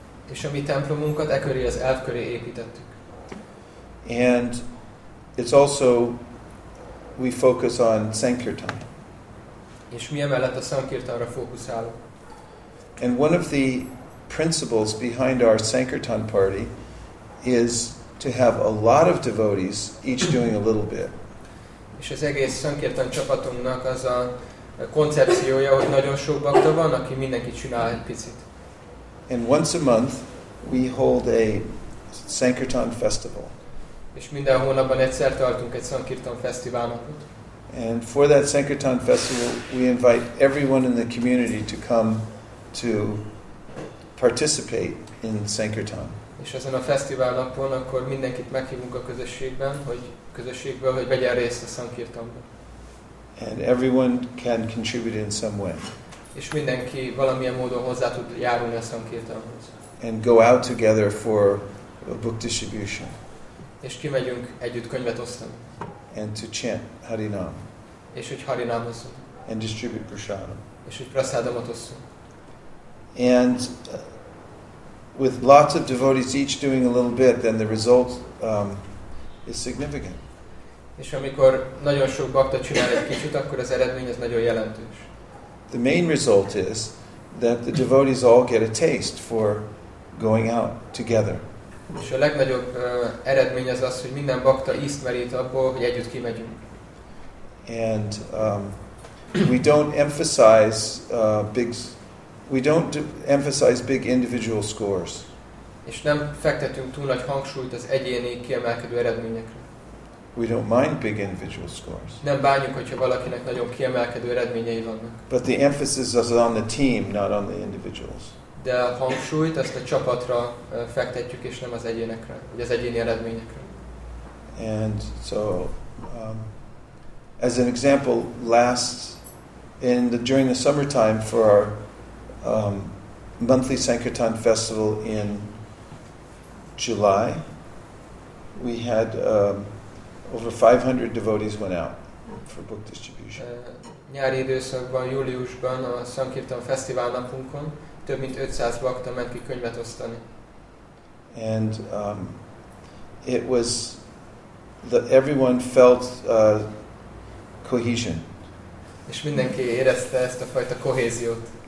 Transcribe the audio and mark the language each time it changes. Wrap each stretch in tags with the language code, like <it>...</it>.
<hu>És a mi templomunkat e köré, az elv köré építettük.</hu> <en>And it's also we focus on sankirtan.</en> <hu>És mi emellett a sankirtanra fókuszálunk.</hu> <en>And one of the principles behind our sankirtan party is to have a lot of devotees each doing a little bit.</en> <hu>És az egész sankirtan csapatunknak az a koncepciója, hogy nagyon sok bakta van, aki mindenki csinál egy picit.</hu> <en>And once a month we hold a sankirtan festival.</en> <hu>És minden hónapban egyszer tartunk egy sankirtan fesztiválnapot.</hu> <en>And for that sankirtan festival we invite everyone in the community to come to participate in sankirtan.</en> <hu>És ezen a fesztivál napon akkor mindenkit meghívunk a közösségbe, hogy vegyen részt a sankirtanban.</hu> <en>And everyone can contribute in some way.</en> <hu>És mindenki valamilyen módon hozzá tud járulni a sankirtanhoz.</hu> <en>And go out together for a book distribution.</en> <hu>És kimegyünk együtt könyvet osztani.</hu> <en>And to chant Harinam.</en> <hu>És hogy Harinamozzunk.</hu> <en>And distribute prasadam.</en> <hu>És hogy prasadamot osszunk.</hu> <en>And with lots of devotees each doing a little bit, then the result is significant.</en> <hu>És amikor nagyon sok bakta csinál egy kicsit, akkor az eredmény az nagyon jelentős.</hu> <en>The main result is that the devotees all get a taste for going out together.</en> <hu>És a legnagyobb eredmény az az, hogy minden bakta ízmerít abból, hogy együtt kimegyünk.</hu> <en>And we don't emphasize big individual scores.</en> <hu>És nem fektetünk túl nagy hangsúlyt az egyéni kiemelkedő eredményekre.</hu> <en>We don't mind big individual scores.</en> <hu>Nem bánjuk, hogyha valakinek nagyon kiemelkedő eredményei vannak.</hu> <en>But the emphasis is on the team, not on the individuals.</en> <hu>De a hangsúlyt azt a csapatra fektetjük, és nem az egyénekre, vagy az egyéni eredményekre.</hu> <en>And so as an example, during the summertime for our monthly sankirtan festival in July, we had over 500 devotees went out for book distribution.</en> <hu>Nyári időszakban, júliusban a sankirtan fesztivál napunkon több mint 500 bakta ment ki könyvet osztani.</hu> <en>And it was that everyone felt cohesion.</en> <hu>És mindenki érezte ezt a fajta kohéziót.</hu>